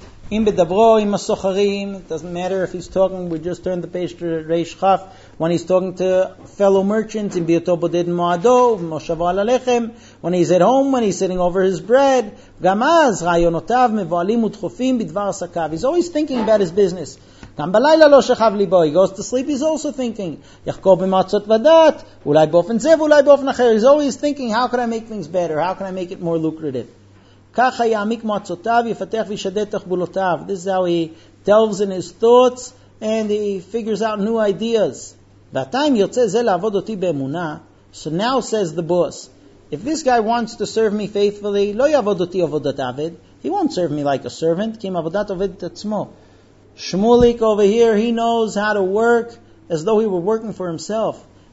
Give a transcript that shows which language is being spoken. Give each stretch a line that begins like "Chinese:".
Hebrew: Im bedavro, im asocharim,
English: it doesn't matter if he's talking, we just turned the page to Reish Chaf, when he's talking to fellow merchants,
Hebrew: im biyoto bodid mo'ado, moshavo al alechem,
English: when he's at home, when he's sitting over his bread,
Hebrew: gam az, rayonotav, mevoalim utchofim, bidvar sakav,
English: he's always thinking about his business.
Hebrew: גם בלילה לא שכב ליבו.
English: He goes to sleep, he's also thinking.
Hebrew: יחקור במעצות ודעת, אולי באופן זה ואולי באופן אחר.
English: He's always thinking, how can I make things better? How can I make it more lucrative?
Hebrew: ככה יעמיק מעצותיו, יפתח וישדד תחבולותיו.
English: This is how he delves in his thoughts and he figures out new ideas.
Hebrew: ועתה אם יוצא זה לעבוד אותי באמונה,
English: so now says the boss, if this guy wants to serve me faithfully,
Hebrew: לא יעבוד אותי עבודת עבד.
English: He won't serve me like a servant,
Hebrew: כי אם עבודת עובד את עצמו.
English: Shmulik over here, he knows how to work as though he were working for himself.